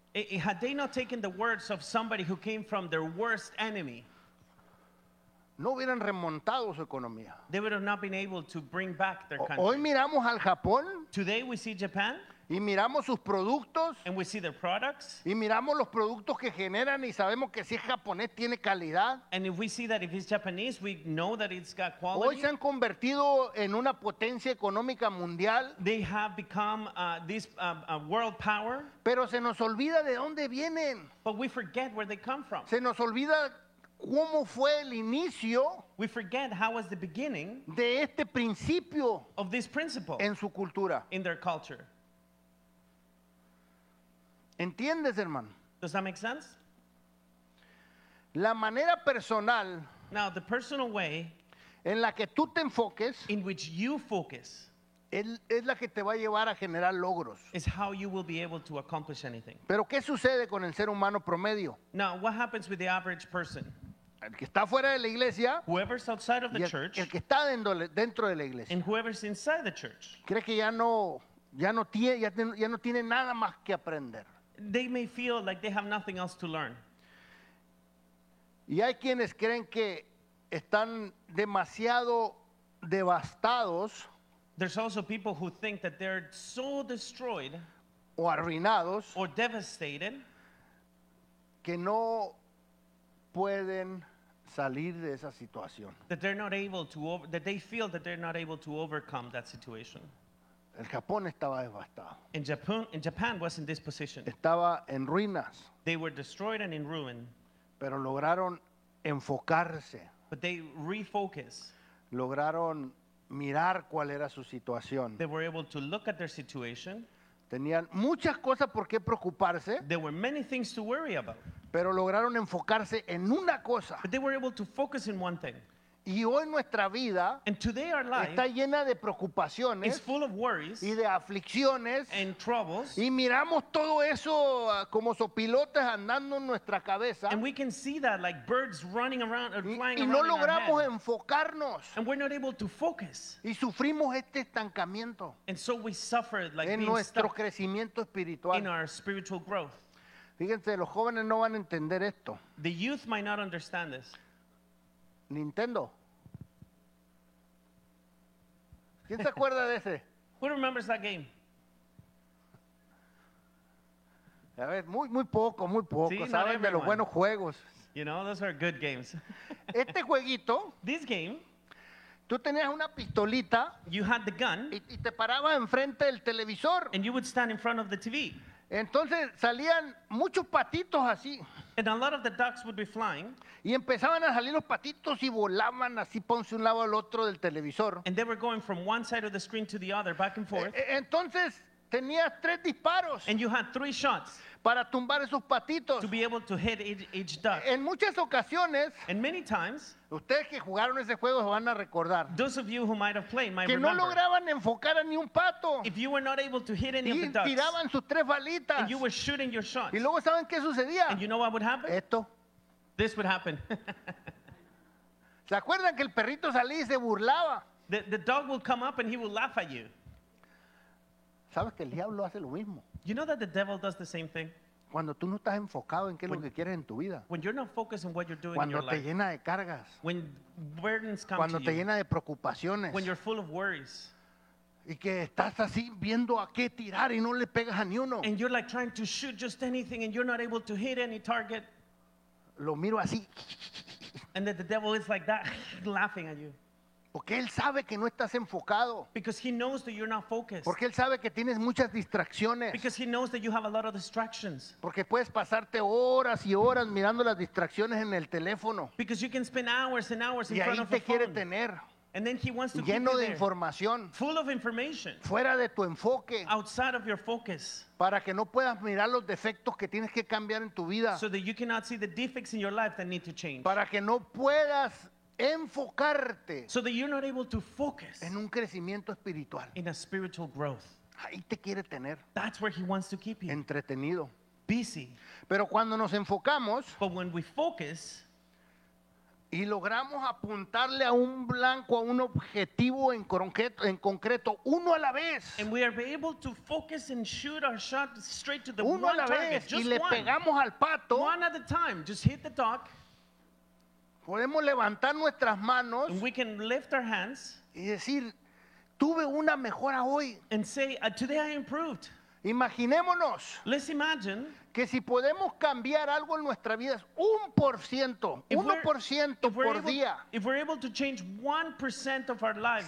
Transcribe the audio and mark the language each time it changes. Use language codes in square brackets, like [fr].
[en] Had they not taken the words of somebody who came from their worst enemy, [es] no hubieran remontado su economía. [en] They would have not been able to bring back their country. [es] Hoy miramos al Japón. [en] Today we see Japan. [es] Y miramos sus productos. [en] And we see their products. [es] Y miramos los productos que generan y sabemos que si es japonés tiene calidad. [en] And if we see that if it's Japanese, we know that it's got quality. [es] Hoy se han convertido en una potencia económica mundial. [en] They have become a world power. [es] Pero se nos olvida de dónde vienen. [en] But we forget where they come from. [es] Se nos olvida cómo fue el inicio. [en] We forget how was the beginning [es] de este principio [en] of this principle [es] en su cultura. [en] In their culture. [es] ¿Entiendes, hermano? [en] Does that make sense? [es] La manera personal, [en] now, the personal way [es] en la que tú te enfoques, [en] in which you focus, [es] es la que te va a llevar a generar logros. [en] Is how you will be able to accomplish anything. [es] ¿Pero qué sucede con el ser humano promedio? [en] Now, what happens with the average person? [es] El que está fuera de la iglesia, [en] whoever's outside of the church, [es] el que está dentro de la iglesia, [en] and whoever's inside the church, [es] cree que ya no tiene nada más que aprender. [en] They may feel like they have nothing else to learn. [es] Y hay quienes creen que están demasiado devastados. [en] There's also people who think that they're so destroyed [es] o arruinados [en] or devastated [es] que no pueden salir de esa situación. [en] That they're not able to that they feel that they're not able to overcome that situation. [es] El Japón estaba devastado. [en] In Japan was in this position. [es] Estaba en ruinas. [en] They were destroyed and in ruin. [es] Pero lograron enfocarse. [en] But they refocused. [es] Lograron mirar cuál era su situación. [en] They were able to look at their situation. [es] Tenían muchas cosas por qué preocuparse. [en] There were many things to worry about. [es] Pero lograron enfocarse en una cosa. [en] But they were able to focus in one thing. [es] Y hoy nuestra vida está llena de preocupaciones, [en] is full of worries, [es] y de aflicciones, [en] and troubles, [es] y miramos todo eso como sopilotes andando en nuestra cabeza, [en] and we can see that like birds running around or flying around, [es] y no logramos enfocarnos, [en] and we're not able to focus, [es] y sufrimos este estancamiento, [en] and so we suffer like [es] en nuestro crecimiento espiritual, [en] in our spiritual growth. [es] Fíjense, los jóvenes no van a entender esto. [en] The youth might not understand this. [es] Nintendo. ¿Quién se acuerda de ese? [en] Who remembers that game? [es] A ver, muy poco, muy poco. [en] See, [es] saben de los buenos juegos. [en] You know, those are good games. [es] Este jueguito. [en] This game. [es] Tú tenías una pistolita. [en] You had the gun. [es] Y te parabas enfrente del televisor. [en] And you would stand in front of the TV. [es] Entonces salían muchos patitos así. [en] And a lot of the ducks would be flying. [es] Y empezaban a salir los patitos y volaban así, ponse un lado al otro del televisor. [en] And they were going from one side of the screen to the other, back and forth. [es] Entonces tenías tres disparos. [en] And you had three shots. [es] Para tumbar esos patitos. [en] To be able to hit each duck. [es] En muchas ocasiones. [en] And many times. [es] Ustedes que jugaron ese juego se van a recordar. [en] Those of you who might have played might [es] que [en] remember. [es] Que no lograban enfocar a ni un pato. [en] If you were not able to hit any of the ducks. [es] Y tiraban sus tres balitas. [en] And you were shooting your shots. [es] Y luego ¿saben qué sucedía? [en] And you know what would happen? [es] Esto. [en] This would happen. [es] ¿Se acuerdan que el perrito salía y se burlaba? [en] The dog will come up and he will laugh at you. [es] ¿Sabes que el diablo hace lo mismo? [en] You know that the devil does the same thing? [es] Cuando tú no estás enfocado en qué es lo que quieres en tu vida. [en] When you're not focused on what you're doing [es] cuando [en] in your life. [es] Cuando te llena de cargas. [en] When burdens come [es] cuando [en] to [es] te [en] you. [es] Llena de preocupaciones. [en] When you're full of worries. [es] Y que estás así viendo a qué tirar y no le pegas a ni uno. [en] And you're like trying to shoot just anything and you're not able to hit any target. [es] Lo miro así. [en] And that the devil is like that laughing at you. [es] Porque él sabe que no estás enfocado. [en] Because he knows that you're not focused. [es] Porque él sabe que tienes muchas distracciones. [en] Because he knows that you have a lot of distractions. [es] Porque puedes pasarte horas y horas mirando las distracciones en el teléfono. [en] Because you can spend hours and hours [es] y [en] in front of the phone. [es] Y ahí te quiere tener. [en] And then he wants to [es] lleno [en] keep you [es] de [en] there, [es] información. [en] Full of information. [es] Fuera de tu enfoque. [en] Outside of your focus. [es] Para que no puedas mirar los defectos que tienes que cambiar en tu vida. [en] So that you cannot see the defects in your life that need to change. [es] Para que no puedas enfocarte [en] so that you're not able to focus [es] en un crecimiento espiritual. [en] In a spiritual growth. [es] Ahí te quiere tener. [en] That's where he wants to keep you. [es] Entretenido. [en] Busy. [es] Pero cuando nos enfocamos, [en] but when we focus [es] y logramos apuntarle a un blanco, a un objetivo en concreto, uno a la vez. [en] And we are able to focus and shoot our shot straight to the [es] uno [en] one [es] a la vez, [en] target, just [es] y le [en] one. [es] Pegamos al pato. [en] One at a time, just hit the dog. [es] Podemos levantar nuestras manos [en] and we can lift our hands [es] y decir, tuve una mejora hoy. [en] And say, today I improved. [es] Imaginémonos. [en] Let's imagine [es] que si podemos cambiar algo en nuestra vida es 1%, 1% por día. [en] If we're able to change 1% of our lives